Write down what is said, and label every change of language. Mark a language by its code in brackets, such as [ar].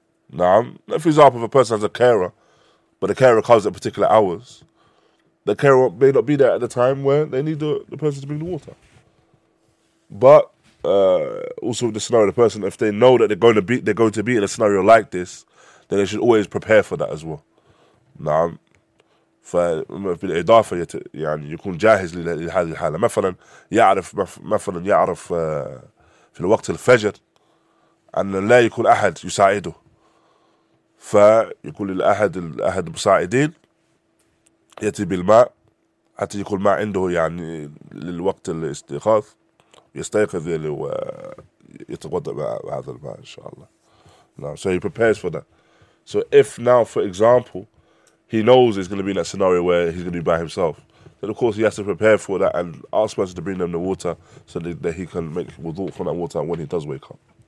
[en] Now, for example, if a person has a carer, but the carer comes at particular hours, the carer may not be there at the time where they need the person to bring the water. But also the scenario, the person, if they know that they're going to be in a scenario like this, then they should always prepare for that as well. [ar] نعم فبالإضافة يعني يكون جاهز لهذه الحالة مثلا يعرف في الوقت الفجر أن لا يكون أحد يساعده فيكون الأحد المساعدين يأتي بالماء حتى يكون ما عنده يعني للوقت الاستيقاظ يستيقظ ويتوضأ بهذا الماء إن شاء الله. نعم. [en] So he prepares for that. So if now for example he knows it's going to be in that scenario where he's going to be by himself, then of course he has to prepare for that and ask person to bring them the water so that he can make wudu from that water when he does wake up.